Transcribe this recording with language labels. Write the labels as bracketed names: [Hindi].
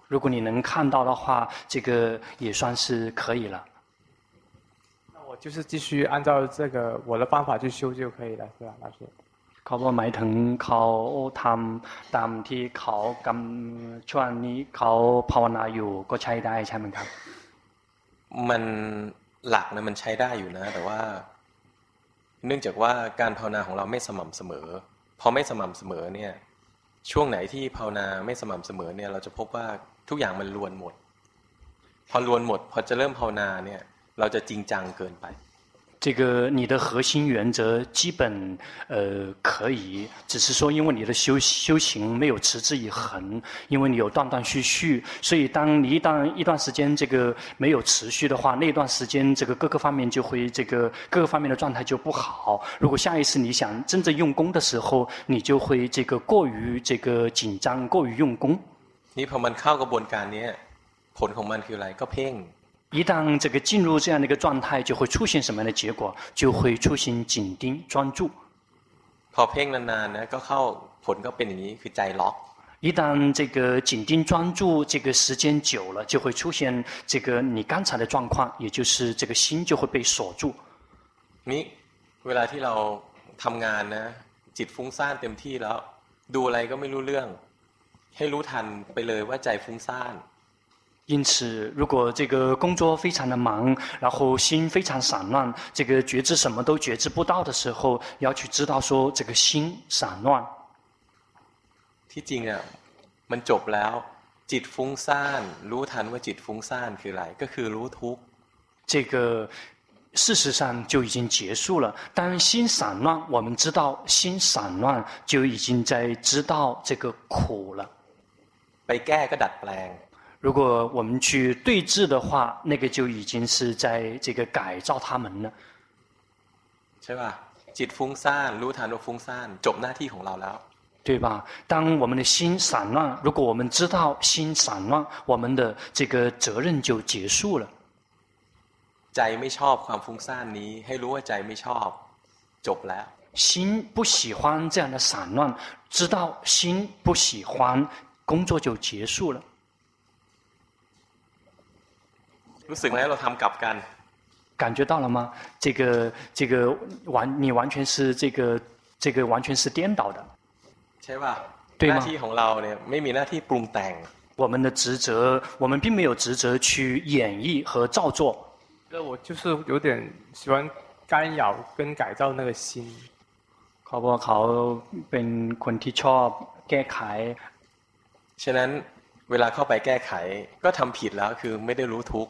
[Chinese] 如果你能看到的话，这个也算是可以了。就是继续按照这个我的方法去修就可以了，是吧，老师？ [Thai] เขาบอกหมายถึงเขาทำตามที่เขากำช่วงนี้เขาภาวนาอยู่ก็ใช้ได้ใช่ไหมครับ？ มันหลักนะมันใช้ได้อยู่นะแต่ว่าเนื่องจากว่าการภาวนาของเราไม่สม่ำเสมอพอไม่สม่ำเสมอเนี่ยช่วงไหนที่ภาวนาไม่สม่ำเสมอเนี่ยเราจะพบว่าทุกอย่างมันรวนหมดพอรวนหมดพอจะเริ่มภาวนาเนี่ยเราจะจริงจังเกินไป [Chinese] 这个你的核心原则基本可以只是说因为你的修行没有持之以恒因为你有断断续续所以当你一段时间这个没有持续的话那段时间这个各个方面就会这个各个方面的状态就不好如果下一次你想真正用功的时候你就会这个过于这个紧张过于用功 [Thai] 你พอมันเข้ากระบวนการนี้ผลของมันคืออะไรก็เพ่ง [Chinese] 一旦这个进入这样的一个状态，就会出现什么样的结果？就会出现紧盯专注。跑偏了呢，那个靠，盆个变成去摘落。一旦这个紧盯专注这个时间久了，就会出现这个你刚才的状况，也就是这个心就会被锁住。 [Thai] 你，เวลาที่เราทำงานนะ，จิตฟุ้งซ่านเต็มที่แล้ว， ดูอะไรก็ไม่รู้เรื่องให้รู้ทันไปเลยว่าใจฟุ้งซ่าน [Chinese] 因此如果这个工作非常的忙然后心非常散乱这个觉知什么都觉知不到的时候要去知道说这个心散乱 [Thai] ที่จริงอ่ะมันจบแล้วจิตฟุ้งซ่านรู้ทันว่าจิตฟุ้งซ่านคืออะไรก็คือรู้ทุกข์ [Chinese] 这个事实上就已经结束了当心散乱我们知道心散乱就已经在知道这个苦了 [Thai] ไปแก้ก็ดัดแปลง [Chinese] 如果我们去对治的话那个就已经是在这个改造他们了 [Thai] ใช่ป่ะจิตฟุ้งซ่านรู้ทันว่าฟุ้งซ่านจบหน้าที่ของเราแล้ว [Chinese] 对吧当我们的心散乱如果我们知道心散乱我们的这个责任就结束了 [Thai] ใจไม่ชอบความฟุ้งซ่านนี้ให้รู้ว่าใจไม่ชอบจบแล้ว [Chinese] 心不喜欢这样的散乱知道心不喜欢工作就结束了 [Thai] รู้สึกไหมเราทำกลับกัน [Chinese] 感觉到了吗这个完你完全是这个完全是颠倒的 [Thai] ใช่ป่ะ ห น้าที่ของเราเนี่ยไม่มีหน้าที่ปรุงแต่ง [Chinese] 我们的职责我们并没有职责去演绎和造作我就是有点喜欢干扰跟改造那个心 [Thai] เขาบอกเขาเป็นคนที่ชอบแก้ไข ฉะนั้นเวลาเข้าไปแก้ไขก็ทำผิดแล้วคือไม่ได้รู้ทุกข